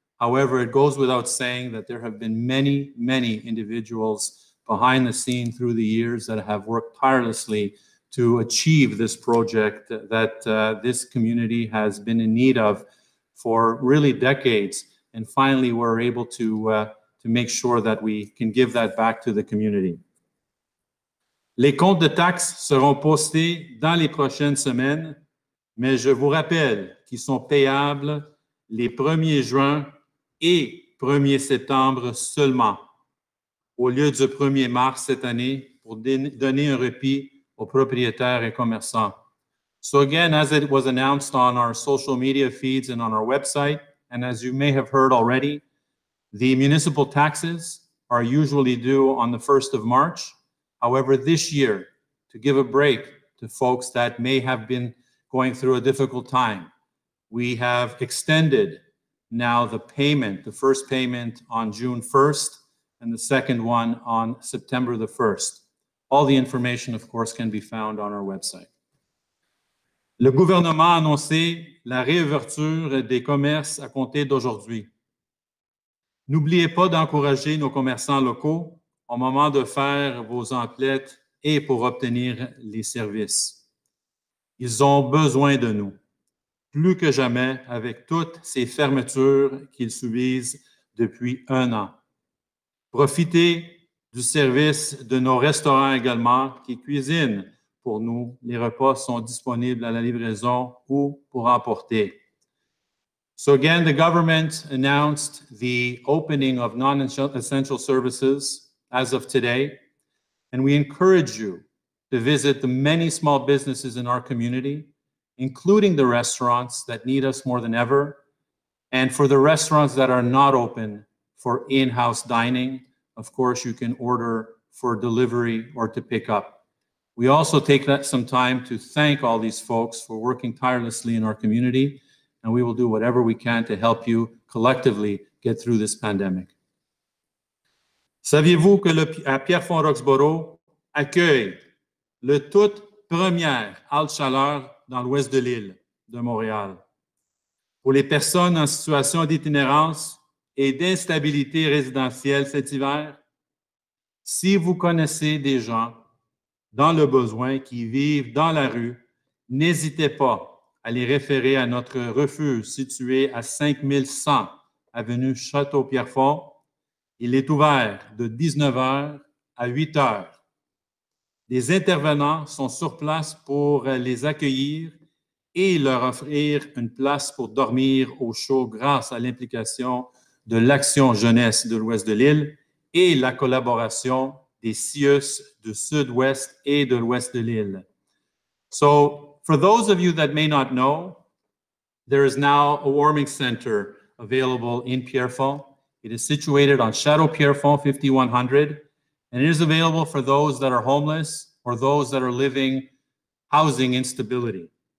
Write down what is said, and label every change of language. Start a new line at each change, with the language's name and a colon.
English: However, it goes without saying that there have been many, many individuals behind the scene through the years that have worked tirelessly to achieve this project that this community has been in need of for really decades. And finally, we're able to make sure that we can give that back to the community.
French: Les comptes de taxes seront postés dans les prochaines semaines, mais je vous rappelle qu'ils sont payables les 1er juin et 1er septembre seulement, au lieu du 1er mars cette année, pour donner un répit aux propriétaires et commerçants.
English: So again, as it was announced on our social media feeds and on our website, and as you may have heard already, the municipal taxes are usually due on the 1st of March. However, this year, to give a break to folks that may have been going through a difficult time, we have extended now the payment, the first payment on June 1st and the second one on September the 1st. All the information, of course, can be found on our website.
French: Le gouvernement a annoncé la réouverture des commerces à compter d'aujourd'hui. N'oubliez pas d'encourager nos commerçants locaux au moment de faire vos emplettes et pour obtenir les services. Ils ont besoin de nous, plus que jamais avec toutes ces fermetures qu'ils subissent depuis un an. Profitez du service de nos restaurants également qui cuisinent pour nous. Les repas sont disponibles à la livraison ou pour emporter.
English: So again, the government announced the opening of non-essential services as of today, and we encourage you to visit the many small businesses in our community, including the restaurants that need us more than ever, and for the restaurants that are not open for in-house dining, of course, you can order for delivery or to pick up. We also take that some time to thank all these folks for working tirelessly in our community, and we will do whatever we can to help you collectively get through this pandemic.
French: Saviez-vous que à Pierrefonds Roxborough accueille le tout premier halte chaleur dans l'ouest de l'île de Montréal? Pour les personnes en situation d'itinérance et d'instabilité résidentielle cet hiver, si vous connaissez des gens dans le besoin qui vivent dans la rue, n'hésitez pas à les référer à notre refuge situé à 5100 avenue Château-Pierrefonds. Il est ouvert de 19h à 8h. Des intervenants sont sur place pour les accueillir et leur offrir une place pour dormir au chaud grâce à l'implication de l'Action Jeunesse de l'Ouest de l'île et la collaboration des CIUS du Sud-Ouest et de l'Ouest de l'île.
English: So, for those of you that may not know, there is now a warming center available in Pierrefonds. It is situated on Château-Pierrefonds 5100, and it is available for those that are homeless or those that are living housing instability.